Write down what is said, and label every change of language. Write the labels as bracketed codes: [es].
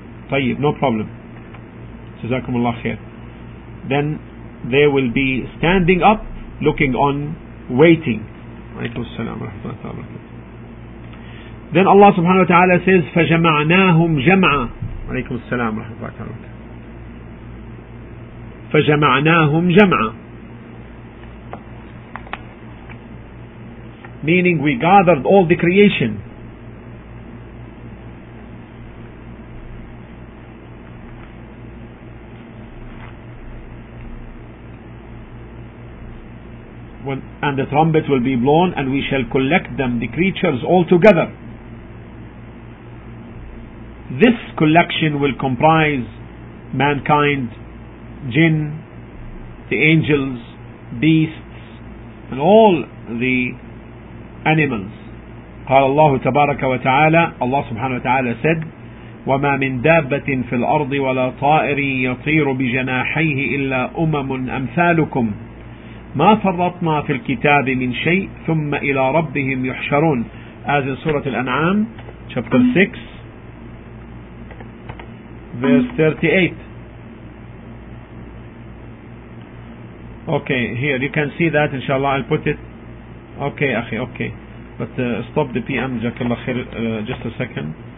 [ar] طيب, [en] no problem, [ar] جزاكم الله خير. [en] Then they will be standing up, looking on, waiting. [ar] عليكم السلام ورحمة الله وبركاته. [en] Then Allah subhanahu wa ta'ala says, [ar] فَجَمَعْنَاهُمْ جَمْعًا. عليكم السلام ورحمة الله وبركاته. فَجَمَعْنَاهُمْ جَمْعًا, [en] meaning we gathered all the creation. When, and the trumpet will be blown, and we shall collect them, the creatures, all together. This collection will comprise mankind, jinn, the angels, beasts, and all the animals. [ar] قال الله تبارك وتعالى, [en] Allah subhanahu wa ta'ala said, [ar] وَمَا مِنْ دَابَّةٍ فِي الْأَرْضِ وَلَا طَائِرٍ يَطِيرُ بِجَنَاحَيْهِ إِلَّا أُمَمٌ أَمْثَالُكُمْ مَا فَرَّطْنَا فِي الْكِتَابِ مِنْ شَيْءٍ ثُمَّ إِلَى رَبِّهِمْ يُحْشَرُونَ. [en] As in Surah Al-An'am, chapter 6, verse 38. Okay, here you can see that, inshallah I'll put it. Okay, أخي, okay. But stop the PM, [ar] جزاك الله خير, [en] just a second.